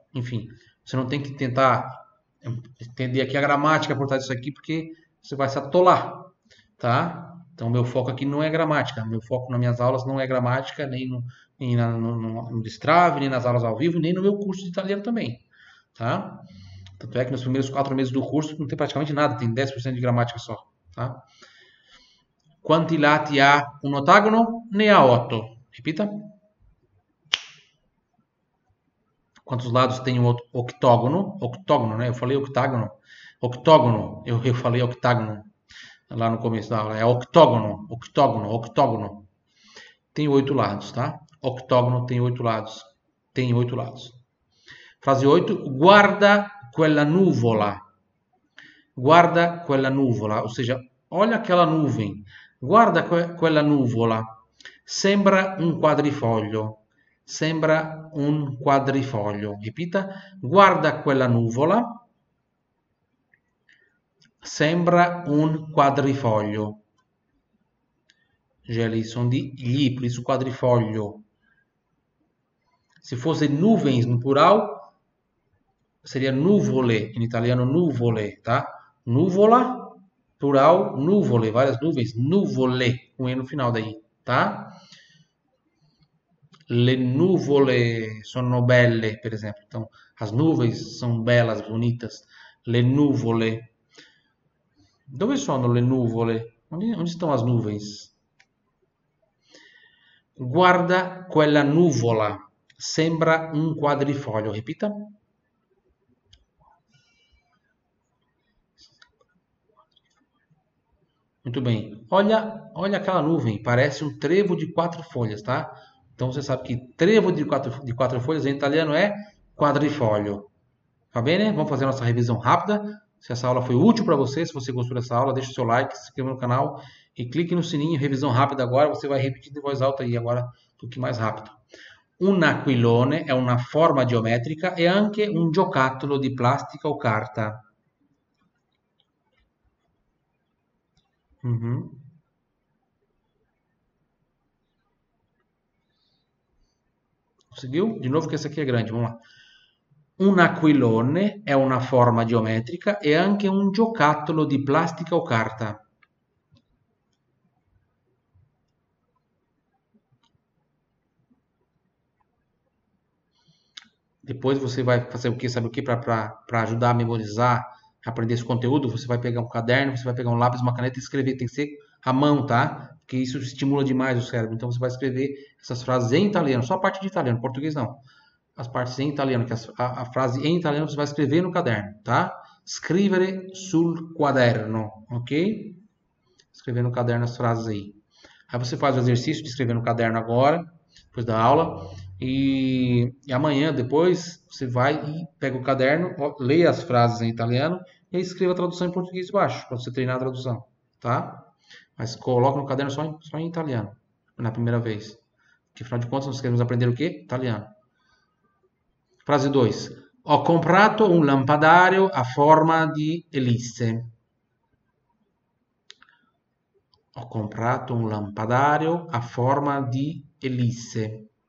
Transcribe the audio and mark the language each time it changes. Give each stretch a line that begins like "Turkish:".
Portuguese: Enfim, você não tem que tentar entender aqui a gramática por trás disso aqui, porque você vai se atolar, tá? Então, meu foco aqui não é gramática. Meu foco nas minhas aulas não é gramática, nem no Destrave, nem nas aulas ao vivo, nem no meu curso de italiano também, tá? Tanto é que nos primeiros 4 meses do curso não tem praticamente nada, tem 10% de gramática só, tá?
Italian: Quanti lati ha un ottagono? Ne a otto.
Portuguese: Repita. Quantos lados tem um octógono? Octógono, né? Eu falei octágono. Octógono. Eu falei octágono lá no começo da aula. É octógono. Octógono. Octógono. Tem 8 lados, tá? Octógono tem 8 lados. Tem 8 lados. Frase 8.
Italian: Guarda quella nuvola. Guarda quella nuvola. Ou seja, olha aquela nuvem. Guarda quella nuvola. Sembra un quadrifoglio, sembra un quadrifoglio. Ripeta, guarda quella nuvola, sembra un quadrifoglio. Geli, sono di gli, per questo quadrifoglio.
Portuguese: Se fosse nuvens no plural, seria nuvole,
Italian: in italiano nuvole,
Portuguese: tá? Nuvola, plural, nuvole, várias nuvens, nuvole, com um E no final daí, tá?
Italian: Le nuvole sono belle, per esempio.
Portuguese: Então, as nuvens são belas, bonitas.
Italian: Le nuvole. Dove sono le nuvole?
Portuguese: Onde estão as nuvens?
Italian: Guarda quella nuvola. Sembra un quadrifoglio. Ripita.
Portuguese: Muito bem. Olha aquela nuvem. Parece um trevo de quatro folhas, tá? Então você sabe que trevo de quatro folhas em italiano é quadrifoglio. Tá bem, né? Vamos fazer nossa revisão rápida. Se essa aula foi útil para você, se você gostou dessa aula, deixe seu like, se inscreva no canal e clique no sininho. Revisão rápida agora. Você vai repetir em voz alta aí agora, um pouquinho mais rápido.
Italian: Un aquilone è una forma geometrica e anche un giocattolo di plastica o carta.
Portuguese: Conseguiu? De novo, que essa aqui é grande. Vamos lá.
Italian: Un aquilone è una forma geometrica e anche un giocattolo di plastica o carta.
Portuguese: Depois você vai fazer o quê? Sabe o quê? Para ajudar a memorizar, aprender esse conteúdo, você vai pegar um caderno, você vai pegar um lápis, uma caneta e escrever. Tem que ser à mão, tá? Porque isso estimula demais o cérebro. Então você vai escrever essas frases em italiano, só a parte de italiano, português não. As partes em italiano, que a frase em italiano você vai escrever no caderno, tá?
Italian: Scrivere sul quaderno, ok?
Portuguese: Escrever no caderno as frases aí. Aí você faz o exercício de escrever no caderno agora, depois da aula. E amanhã, depois, você vai e pega o caderno, lê as frases em italiano e escreva a tradução em português baixo, para você treinar a tradução, tá? Mas coloca no caderno só em italiano, na primeira vez. Porque, afinal de contas, nós queremos aprender o quê? Italiano. Frase 2.
Italian: Ho comprato un lampadario a forma di elisse. Ho comprato un lampadario a forma di elisse.